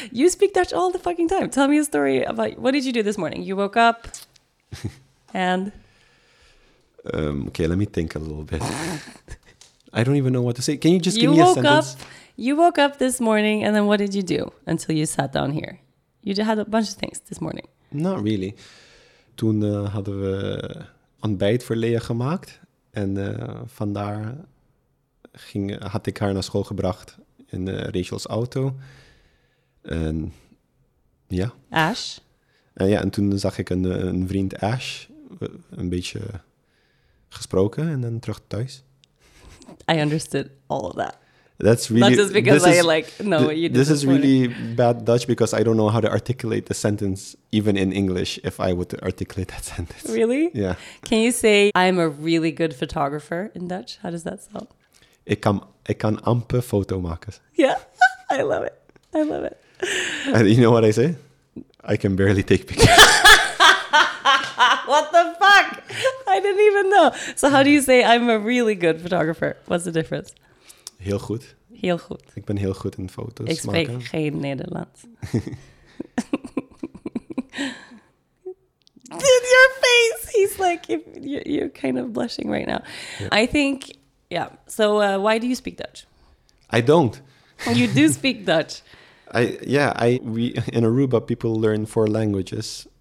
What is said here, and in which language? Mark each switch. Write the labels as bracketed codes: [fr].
[en] You speak Dutch all the fucking time. Tell me a story about... What did you do this morning? You woke up and... Okay, let me think a little bit. I don't even know what to say. Can you just give me a sentence? You woke up this morning, and then what did you do until you sat down here? You had a bunch of things this morning. Not really. [nl] Toen hadden we ontbijt voor Lea gemaakt. En vandaar had ik haar naar school gebracht in Rachel's auto. En ja. Ash? En toen zag ik een vriend Ash, een beetje gesproken en dan terug thuis. [en] I understood all of that. That's really not just because I like know what you did. This is really bad Dutch because I don't know how to articulate the sentence even in English if I would articulate that sentence. Really? Yeah. Can you say I'm a really good photographer in Dutch? How does that sound? [nl] Ik kan amper foto maken. [en] Yeah. I love it. I love it. And you know what I say? I can barely take pictures. What the fuck? I didn't even know. So how do you say I'm a really good photographer? What's the difference? [nl] Heel goed. Heel goed. Ik ben heel goed in foto's maken. Ik spreek geen Nederlands. [en] Dude, your face. He's like, you're kind of blushing right now. Yeah. I think, yeah. So why do you speak Dutch? I don't. You do speak Dutch. We in Aruba, people learn four languages.